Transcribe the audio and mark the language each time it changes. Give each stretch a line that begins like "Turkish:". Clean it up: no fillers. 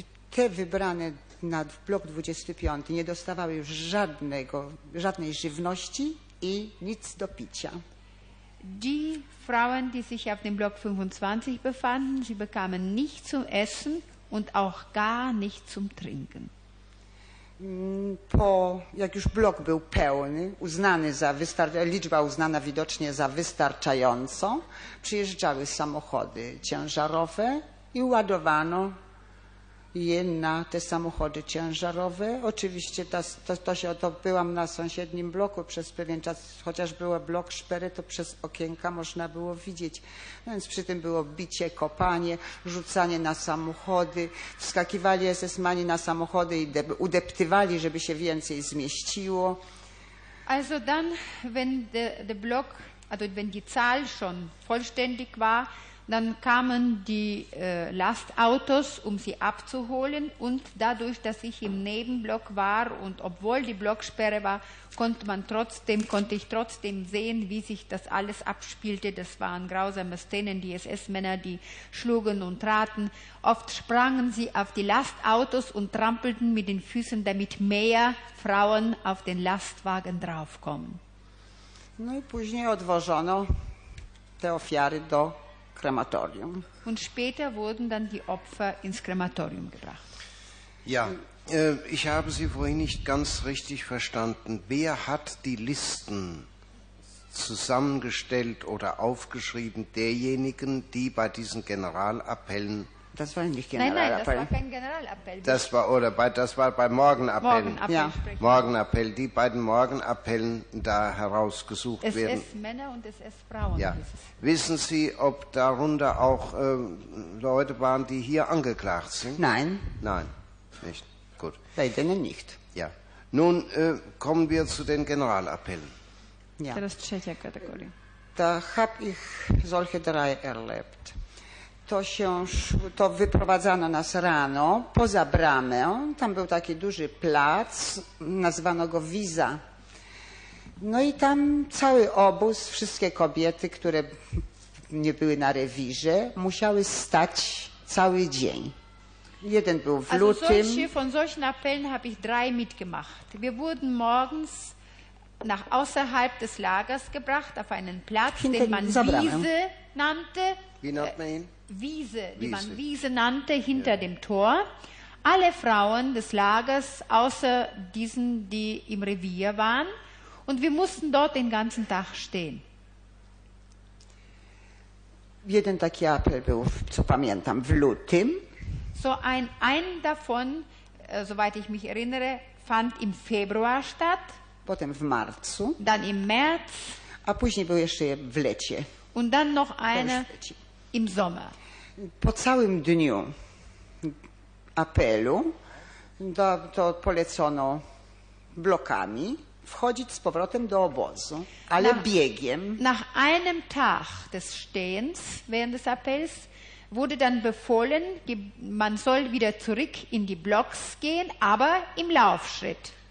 Polish: Te wybrane na blok 25 nie dostawały już żadnej żywności i nic do picia.
German: Die Frauen, die sich auf dem Block 25 befanden, sie bekamen nicht zum Essen und auch gar nicht zum Trinken.
Polish: Po, jak już blok był pełny, uznany za liczba uznana widocznie za wystarczającą, przyjeżdżały samochody ciężarowe I ładowano je na te samochody ciężarowe. Oczywiście to byłam na sąsiednim bloku przez pewien czas, chociaż był blok szpery, to przez okienka można było widzieć. No więc przy tym było bicie, kopanie, rzucanie na samochody. Wskakiwali SS-mani na samochody i udeptywali, żeby się więcej zmieściło.
German: Also dann, wenn der Block, also wenn die Zahl schon vollständig war, dann kamen die Lastautos, um sie abzuholen. Und dadurch, dass ich im Nebenblock war und obwohl die Blocksperre war, konnte ich trotzdem sehen, wie sich das alles abspielte. Das waren grausame Szenen, die SS-Männer, die schlugen und traten. Oft sprangen sie auf die Lastautos und trampelten mit den Füßen, damit mehr Frauen auf den Lastwagen draufkommen.
Polish: No i później odwożono te ofiary do krematorium.
German: Und später wurden dann die Opfer ins Krematorium gebracht. Ja, ich habe Sie vorhin nicht ganz richtig verstanden. Wer hat die Listen zusammengestellt oder aufgeschrieben, derjenigen, die bei diesen Generalappellen... Das war nicht Generalappell. Nein, das war kein Generalappell. Das war bei Morgenappellen. Morgenappell, die beiden Morgenappellen da herausgesucht SS-Männer werden. SS-Männer und SS-Frauen. Ja. Wissen Sie, ob darunter auch Leute waren, die hier angeklagt sind? Nein. Nein, nicht. Gut. Bei denen nicht. Ja. Nun kommen wir zu den Generalappellen. Ja. Das ist die dritte Kategorie. Da habe ich solche drei erlebt.
Polish: To wyprowadzano nas rano, poza bramę. Tam był taki duży plac, nazywano go Wiza. No i tam cały obóz, wszystkie kobiety, które nie były na rewirze, musiały stać cały dzień. Jeden był w lutym.
German: Also von solchen Appellen habe ich drei mitgemacht. Wir wurden morgens nach außerhalb des Lagers gebracht, auf einen Platz, den man Wiese nannte. Wie nennt man ihn? Wiese, die man Wiese nannte, hinter dem Tor. Alle Frauen des Lagers, außer diesen, die im Revier waren. Und wir mussten dort den ganzen Tag stehen.
Polish: Jeden taki apel był, co pamiętam, w lutym.
German: So ein davon, soweit ich mich erinnere, fand im Februar statt.
Polish: Potem w marcu.
German: Dann im März.
Polish: A później był jeszcze w lecie.
German: Und dann noch eine im Sommer.
Polish: Po całym dniu apelu to polecono blokami wchodzić z powrotem do obozu, ale biegiem.
German: Nach einem Tag des Stehens während des Appells wurde dann befohlen, man soll wieder zurück in die Blocks gehen, aber im Laufschritt.